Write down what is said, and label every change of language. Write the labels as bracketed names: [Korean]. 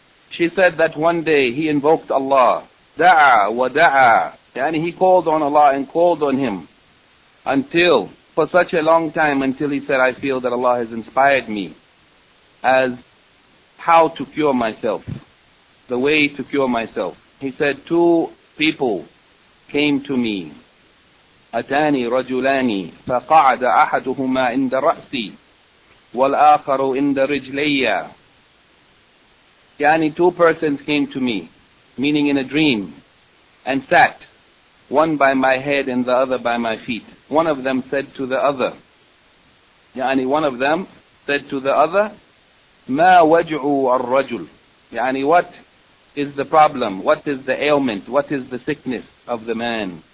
[English] She said that one day he invoked Allah, da'a wa da'a, and he called on Allah and called on him until, for such a long time, until he said, "I feel that Allah has inspired me as how to cure myself, the way to cure myself." He said, two people came to me. [Arabic] أتاني رجلان فقعد أحدهما عند رأسي والآخر عند رجلي. [English] يعني two persons came to me, meaning in a dream, and sat, one by my head and the other by my feet. One of them said to the other, يعني one of them said to the other, [Arabic] ما وجع الرجل, [English] يعني what is the problem, what is the ailment, what is the sickness of the man.